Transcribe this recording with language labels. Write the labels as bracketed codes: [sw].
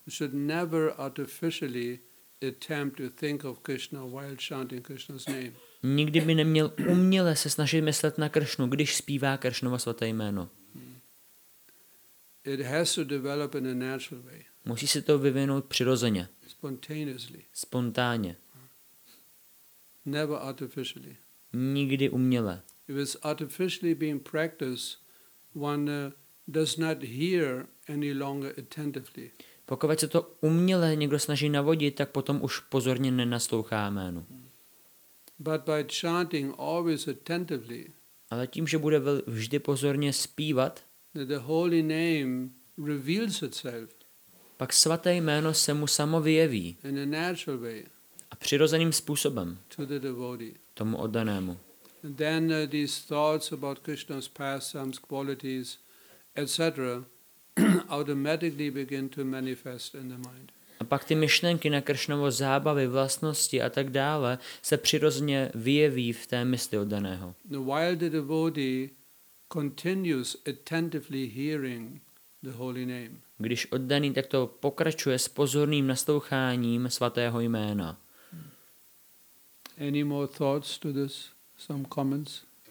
[en] Should never artificially attempt to think of Krishna while chanting Krishna's name. [cs] Nikdy by neměl uměle se snažit myslet na Kršnu, když zpívá Kršnovo svaté jméno. [en] It has to develop in a natural way. [cs] Musí se to vyvinout přirozeně. [en] Spontaneously. [cs] Spontánně. [en] Never artificially. [cs] Nikdy uměle. [en] If it's artificially being practiced, one does not hear any longer attentively. [cs] Pokud se to uměle někdo snaží navodit, tak potom už pozorně nenaslouchá jménu. [en] But by chanting always attentively. [cs] Ale tím, že bude vždy pozorně zpívat, [en] that the holy name reveals itself. [cs] Pak svaté jméno se mu samo vyjeví. [en] In a natural way. [cs] A přirozeným způsobem. [en] To the devotee. [cs] Tomu oddanému. [en] And then these thoughts about Krishna's pastimes, qualities, etc. automatically begin to manifest in the mind. [cs] A pak ty myšlenky na Kršnovo zábavy, vlastnosti a tak dále se přirozeně vyjeví v té mysli oddaného. [en] While the devotee continues attentively hearing the holy name. [cs] Když oddaný takto pokračuje s pozorným nasloucháním svatého jména. [en] Any more thoughts to this? Some comments?